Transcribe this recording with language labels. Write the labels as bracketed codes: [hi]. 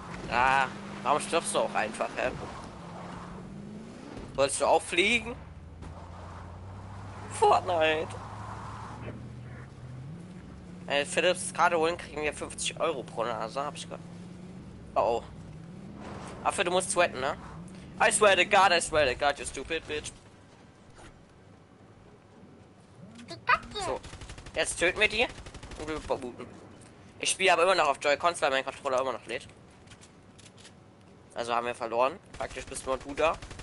[de] Ah, warum stirbst du auch einfach, hä? Wolltest du auch fliegen? Fortnite! Wenn Philips gerade holen, kriegen wir 50 Euro pro Nase, hab ich gehört. Oh oh. Affe, du musst sweaten, ne? [en] I swear to God, you stupid bitch. [de] So, jetzt töten wir die und wir booten. Ich spiele aber immer noch auf Joy-Cons, weil mein Controller immer noch lädt. Also haben wir verloren. Praktisch bist nur du da.